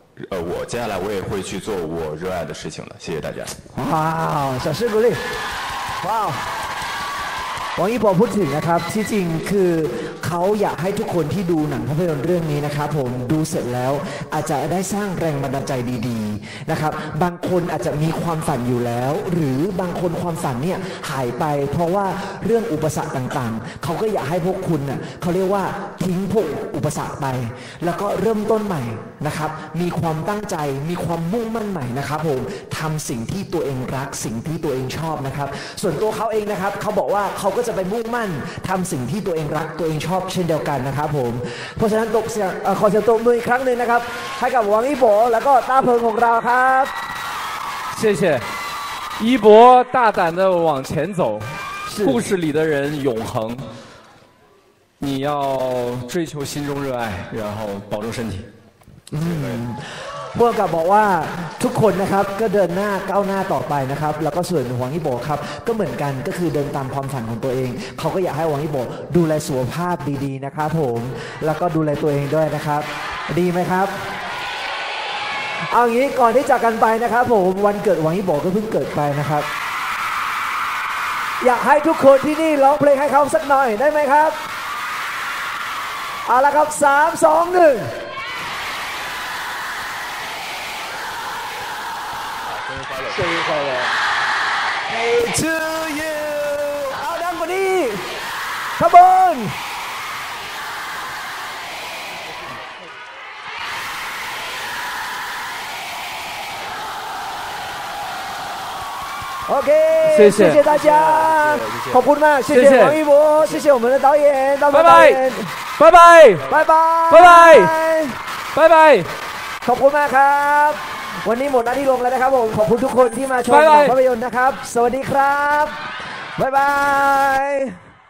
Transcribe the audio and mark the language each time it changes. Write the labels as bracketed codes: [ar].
[zh] 我接下来我也会去做我热爱的事情了，谢谢大家。哇，小师鼓励，哇。 [th] หวังอี้บอพูดถึงนะครับที่จริงคือเขาอยากให้ทุกคนที่ดูหนังภาพยนตร์เรื่องนี้นะครับผมดูเสร็จแล้วอาจจะได้สร้างแรงบันดาลใจดีๆนะครับบางคนอาจจะมีความฝันอยู่แล้วหรือบางคนความฝันเนี่ยหายไปเพราะว่าเรื่องอุปสรรคต่างๆเขาก็อยากให้พวกคุณน่ะเขาเรียกว่าทิ้งพวกอุปสรรคไป แล้วก็เริ่มต้นใหม่นะครับมีความตั้งใจมีความมุ่งมั่นใหม่นะครับผมทำสิ่งที่ตัวเองรักสิ่งที่ตัวเองชอบนะครับส่วนตัวเขาเองนะครับเขาบอกว่าเขาก็จะไปมุ่งมั่นทำสิ่งที่ตัวเองรักตัวเองชอบเช่นเดียวกันนะครับผมเพราะฉะนั้นตกเสียงขอเสียงตบมืออีกครั้งหนึ่งนะครับให้กับหวังอี้บอแล้วก็ต้าเพิงของเราครับ [zh] 谢谢一博大胆的往前走故事里的人永恒你要追求心中热爱然后保重身体 [th] เพื่อนกับบอกว่าทุกคนนะครับก็เดินหน้าก้าวหน้าต่อไปนะครับแล้วก็ส่วนหวังอี้บอครับก็เหมือนกันก็คือเดินตามความฝันของตัวเองเขาก็อยากให้หวังอี้บอดูแลสุขภาพดีๆนะครับผมแล้วก็ดูแลตัวเองด้วยนะครับดีไหมครับเอางี้ก่อนที่จะกันไปนะครับผมวันเกิดหวังอี้บอก็เพิ่งเกิดไปนะครับอยากให้ทุกคนที่นี่ร้องเพลงให้เขาสักหน่อยได้ไหมครับเอาละครับ3 2 1 [zh] 生日快乐，生日快乐。 [en] Hey to you， [zh] 阿丹古尼 ， [en] Come on。 OK， [zh] 谢谢，谢谢大家，谢谢，谢谢，谢谢王一博，谢谢我们的导演，拜拜，拜拜，拜拜拜，拜拜，拜拜，拜拜， [th] ครับวันนี้หมดหน้าที่ลงแล้วนะครับผมขอบคุณทุกคนที่มาชมภาพยนตร์นะครับสวัสดีครับบ๊ายบาย